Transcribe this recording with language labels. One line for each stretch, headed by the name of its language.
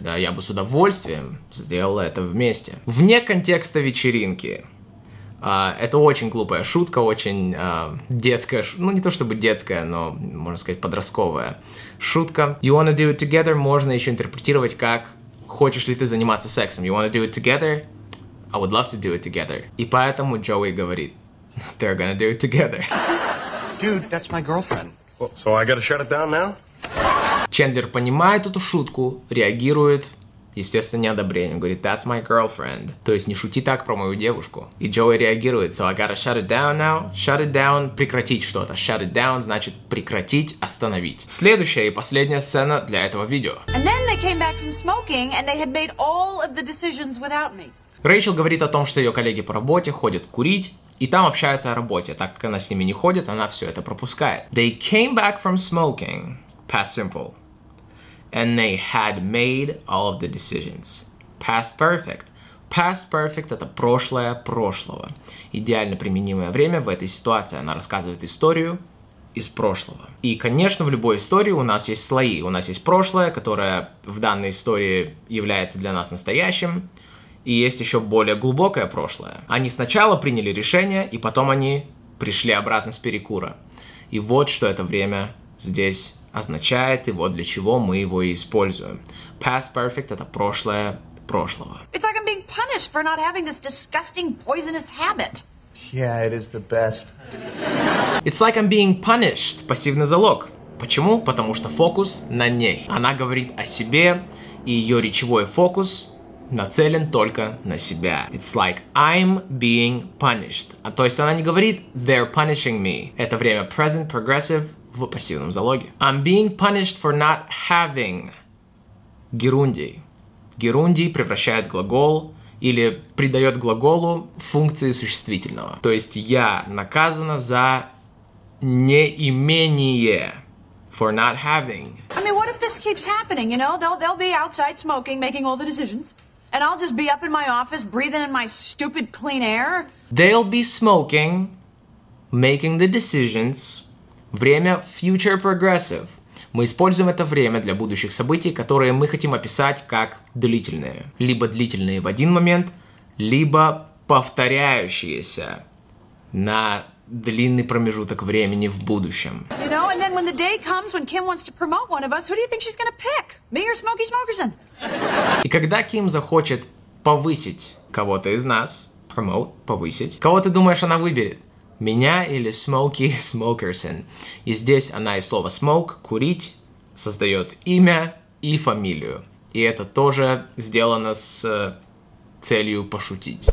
Russian: Да, я бы с удовольствием сделала это вместе. Вне контекста вечеринки. Это очень глупая шутка, очень детская, ну не то чтобы детская, но можно сказать подростковая шутка.
English: You wanna do it together?
Russian: Можно еще интерпретировать как хочешь ли ты заниматься сексом.
English: You wanna do it together? I would love to do it together.
Russian: И поэтому Joey говорит,
English: they're gonna do it together. Dude, that's my girlfriend. Well, so I gotta shut it down now?
Russian: Чендлер понимает эту шутку, реагирует, естественно, неодобрением.
English: Говорит, that's my girlfriend.
Russian: То есть не шути так про мою девушку. И Joey реагирует,
English: so I gotta shut it down now. Shut it down, прекратить что-то. Shut it down
Russian: значит прекратить, остановить. Следующая и последняя сцена для этого видео.
English: And then they came back from smoking and they had made all of the decisions without me.
Russian: Рэйчел говорит о том, что ее коллеги по работе ходят курить, и там общаются о работе. Так как она с ними не ходит, она все это пропускает.
English: They came back from smoking, past simple, and they had made all of the decisions. Past perfect.
Russian: Past perfect — это прошлое прошлого. Идеально применимое время в этой ситуации. Она рассказывает историю из прошлого. И, конечно, в любой истории у нас есть слои. У нас есть прошлое, которое в данной истории является для нас настоящим. И есть еще более глубокое прошлое. Они сначала приняли решение, и потом они пришли обратно с перекура. И вот что это время здесь означает, и вот для чего мы его и используем. Past perfect — это прошлое прошлого.
English: It's like I'm being punished for not having this disgusting, poisonous habit. Yeah, it is the best. It's like I'm being punished.
Russian: Пассивный залог. Почему? Потому что фокус на ней. Она говорит о себе, и ее речевой фокус нацелен только на себя.
English: It's like I'm being punished.
Russian: А то есть она не говорит
English: they're punishing me.
Russian: Это время present progressive в пассивном залоге.
English: I'm being punished for not having.
Russian: Герундий. Герундий превращает глагол или придает глаголу функции существительного. То есть я наказана за неимение.
English: For not having. I mean, what if this keeps happening? You know, they'll be outside smoking, making all the decisions. And I'll just be up in my office, breathing in my stupid clean air. They'll be smoking, making the decisions, время future progressive.
Russian: Мы используем это время для будущих событий, которые мы хотим описать как длительные. Либо длительные в один момент, либо повторяющиеся на длинный промежуток времени в будущем.
English: You know, and then when the day comes, when Kim wants to promote one of us, who do you think she's gonna pick? Me or Smokey Smokerson?
Russian: И когда Ким захочет повысить кого-то из нас, promote, повысить, кого ты думаешь, она выберет? Меня или Smokey Smokerson? И здесь она из слова smoke, курить, создает имя и фамилию. И это тоже сделано с целью пошутить.